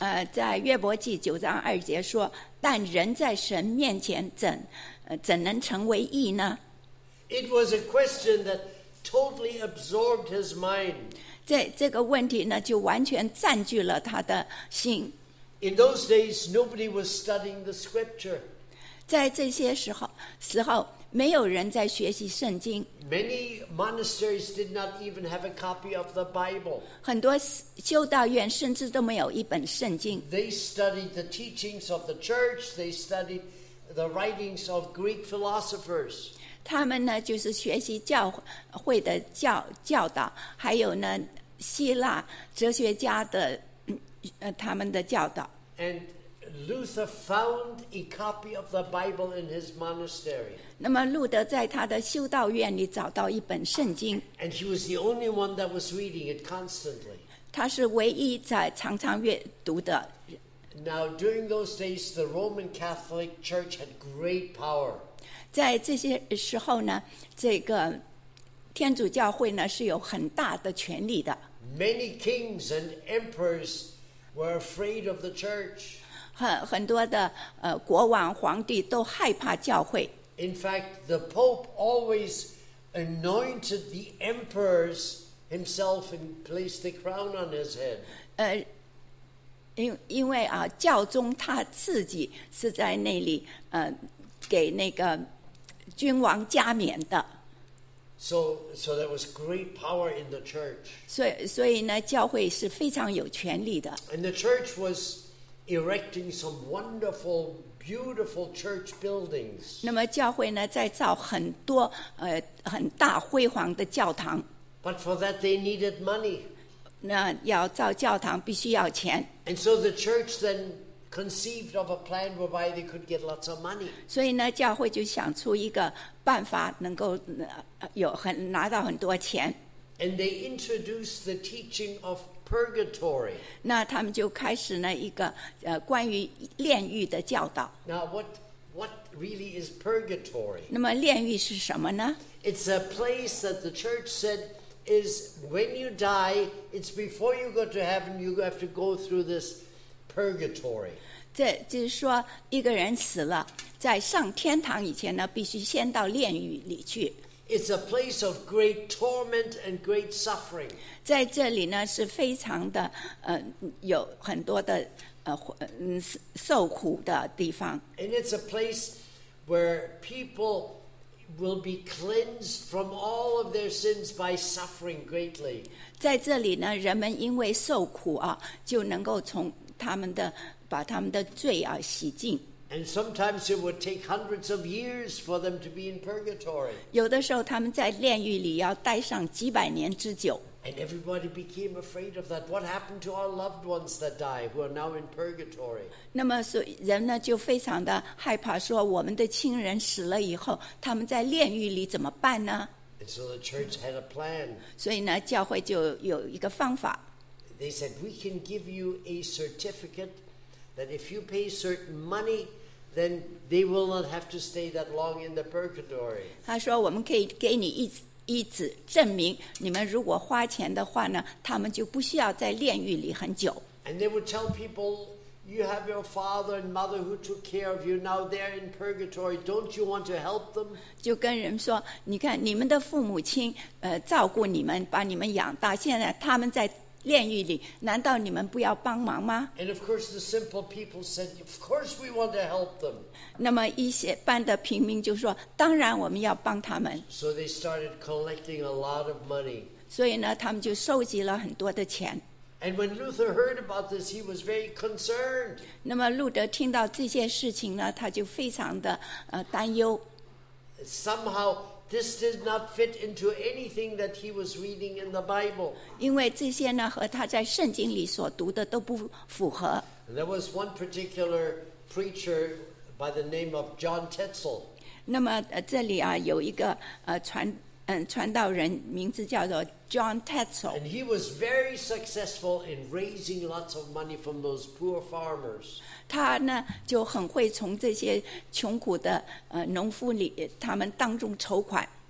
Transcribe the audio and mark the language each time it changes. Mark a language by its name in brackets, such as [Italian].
[Chinese] 在约伯记9:2说，但人在神面前怎能成为义呢？ [English] It was a question that totally absorbed his mind. [Chinese] 这个问题呢就完全占据了他的心。 [English] In those days, nobody was studying the scripture. [Chinese] 在这些时候没有人在学习圣经。 [English] Many monasteries did not even have a copy of the Bible. [Chinese] 很多修道院甚至都没有一本圣经。 [English] They studied the teachings of the church. They studied the writings of Greek philosophers. [Chinese] 他们呢，就是学习教会的教导，还有呢，希腊哲学家的他们的教导。 [English] And Luther found a copy of the Bible in his monastery. [Chinese] 那么路德在他的修道院里找到一本圣经。 [English] And he was the only one that was reading it constantly. [Chinese] 他是唯一在常常阅读的。 [English] Now during those days, the Roman Catholic Church had great power. [Chinese] 在这些时候呢，这个天主教会呢是有很大的权力的。 [English] Many kings and emperors were afraid of the church. [Chinese] 很多的国王皇帝都害怕教会。 [English] In fact, the Pope always anointed the emperors himself and placed the crown on his head. [Chinese] 因为啊，教宗他自己是在那里给那个。君王加冕的。 [English] So there was great power in the church. [Chinese] 所以呢，教会是非常有权力的。 [English] And the church was erecting some wonderful, beautiful church buildings. [Chinese] 那么教会呢，在造很多很大辉煌的教堂。 [English] But for that they needed money. [Chinese] 那要造教堂必须要钱。 [English] And so the church then conceived of a plan whereby they could get lots of money. [Chinese] 所以呢，教会就想出一个办法，能够有很拿到很多钱。 [English] And they introduced the teaching of purgatory. [Chinese] 那他们就开始了一个关于炼狱的教导。 [English] Now what really is purgatory? [Chinese] 那么炼狱是什么呢？ [English] It's a place that the church said. Is when you die, it's before you go to heaven, you have to go through this purgatory. [Chinese] 这就是说，一个人死了，在上天堂以前呢，必须先到炼狱里去。 [English] It's a place of great torment and great suffering. [Chinese] 在这里呢，是非常的，有很多的，受苦的地方。 [English] And it's a place where people. Will be cleansed from all of their sins by suffering greatly. [Chinese] 在这里呢，人们因为受苦啊，就能够从他们的把他们的罪啊洗净。 [English] And sometimes it would take hundreds of years for them to be in purgatory. [Chinese] 有的时候他们在炼狱里要待上几百年之久。 [English] And everybody became afraid of that. What happened to our loved ones that die, who are now in purgatory? [Chinese] 那么所以人呢就非常的害怕，说我们的亲人死了以后，他们在炼狱里怎么办呢？ [English] And so the church had a plan. [Chinese] 所以呢，教会就有一个方法。 [English] They said we can give you a certificate that if you pay certain money, then they will not have to stay that long in the purgatory. [Chinese] 他说我们可以给你一纸证明，你们如果花钱的话呢，他们就不需要在炼狱里很久。 [English] And they would tell people, you have your father and mother who took care of you. Now they're in purgatory. Don't you want to help them? [Chinese] 就跟人说，你看你们的父母亲，照顾你们，把你们养大，现在他们在炼狱里，难道你们不要帮忙吗？ [English] And of course, the simple people said, of course we want to help them. [Chinese] 那么一些般的平民就说，当然我们要帮他们。 [English] So they started collecting a lot of money. [Chinese] 所以呢，他们就收集了很多的钱。 [English] And when Luther heard about this, he was very concerned. [Chinese] 那么路德听到这些事情呢，他就非常的担忧。 [English] Somehow. This did not fit into anything that he was reading in the Bible. [Chinese] 因为这些呢和他在圣经里所读的都不符合。 [English] There was one particular preacher by the name of John Tetzel. [Chinese] 那么这里啊有一个传道人名字叫做 John Tetzel. [English] And he was very successful in raising lots of money from those poor farmers. [Chinese] 他呢就很会从这些穷苦的农夫里他们当中筹款。